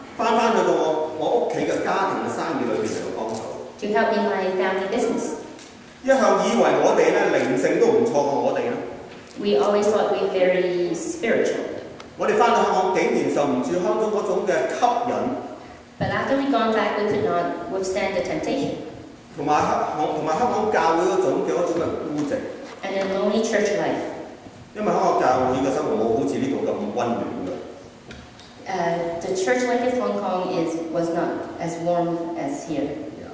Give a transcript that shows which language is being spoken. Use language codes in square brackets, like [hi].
[zh] 回到我家庭的生意裡面來幫助。To [en] help me my family business. [zh] 一向以為我們靈性都不錯過我們。 [en] We always thought we were very spiritual. [zh] 我們回到香港幾年受不住香港那種的吸引。 [en] But after we gone back, we could not withstand the temptation. [zh] 和香港教會那種的孤寂。 [en] And a lonely church life. [zh] 因為香港教會的生活沒有好像這裡那麼溫暖的。 [en] The church life in Hong Kong was not as warm as here.